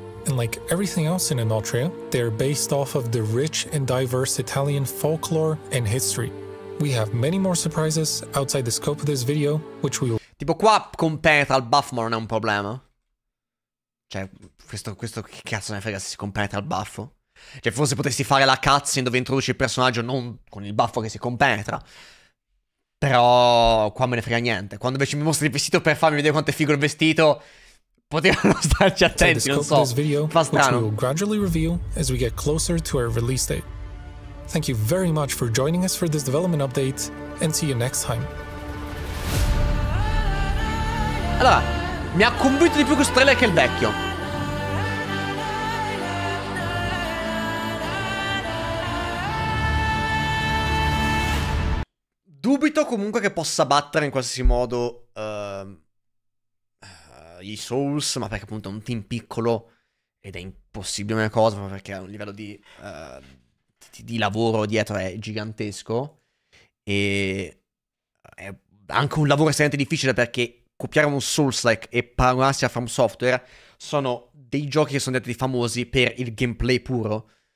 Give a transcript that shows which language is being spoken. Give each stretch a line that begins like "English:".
English: And like everything else in Inotria, they're based off of the rich and diverse Italian folklore and history. We have many more surprises outside the scope of this video, which we will...
Italian: Tipo qua con Penetral Buff, ma non è un problema. Cioè, questo che cazzo ne frega se si compenetra il buffo? Cioè, forse potresti fare la cutscene dove introduci il personaggio non con il buffo che si compenetra. Però qua me ne frega niente. Quando invece mi mostri il vestito per farmi vedere quanto è figo il vestito, potevano starci attenti, non so.
English: Video,
Italian: fa strano.
English: We will gradually reveal as we get closer to our release date. Thank you very much for joining us for this development update and see you next time.
Italian: Allora, mi ha convinto di più questo trailer che il vecchio. Dubito comunque che possa battere in qualsiasi modo i Souls, ma perché appunto è un team piccolo ed è impossibile una cosa, ma perché ha un livello di lavoro dietro è gigantesco e è anche un lavoro estremamente difficile, perché copiare un Souls-like e paragonarsi a From Software sono dei giochi che sono diventati famosi per il gameplay puro